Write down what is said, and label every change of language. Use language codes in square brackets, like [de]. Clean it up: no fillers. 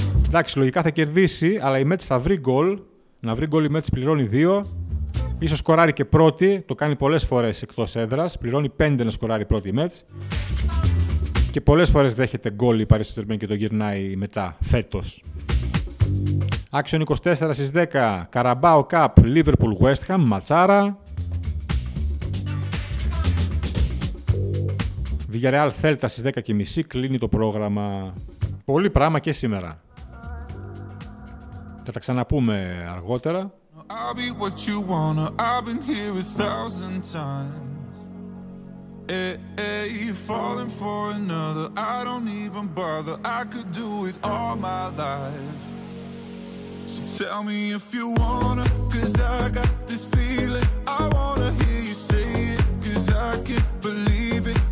[el] Εντάξει, λογικά θα κερδίσει, αλλά η Mets θα βρει γκολ. Να βρει γκολ η Mets πληρώνει 2. Ίσως σκοράρει και πρώτη, το κάνει πολλές φορές εκτός έδρας. Πληρώνει 5 να σκοράρει πρώτη η Mets. Και πολλές φορές δέχεται γκολ η Paris Saint-Germain και το γυρνάει μετά, φέτος. Action 24 στις 10, Carabao Cup, Liverpool, West Ham, ματσάρα. Villarreal Celta στις 10.30, κλείνει το πρόγραμμα. Πολύ πράγμα και σήμερα. Θα τα ξαναπούμε αργότερα. [en] I'll be what you wanna, I've been here a thousand times. You're falling for another, I don't even bother, I could do it all my life. So tell me if you wanna, cause I got this feeling, I wanna hear you say it, cause I can't believe it.